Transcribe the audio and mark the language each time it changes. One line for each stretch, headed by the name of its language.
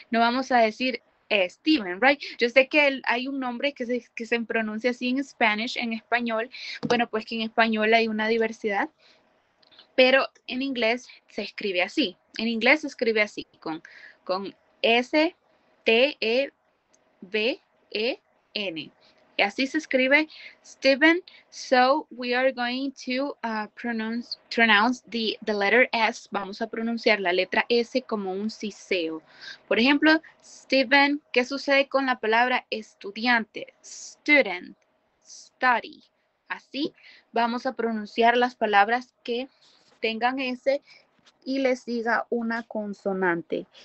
Spanish: No vamos a decir Steven, right? Yo sé que hay un nombre que se pronuncia así en Spanish, en español. Bueno, pues que en español hay una diversidad. Pero en inglés se escribe así. En inglés se escribe así, con S-T-E-V-E-N. Y así se escribe Steven.
English: So we are going to pronounce the letter S.
Spanish: Vamos a pronunciar la letra S como un siseo. Por ejemplo, Steven, ¿qué sucede con la palabra estudiante? Student, study. Así vamos a pronunciar las palabras que tengan S y le siga una consonante.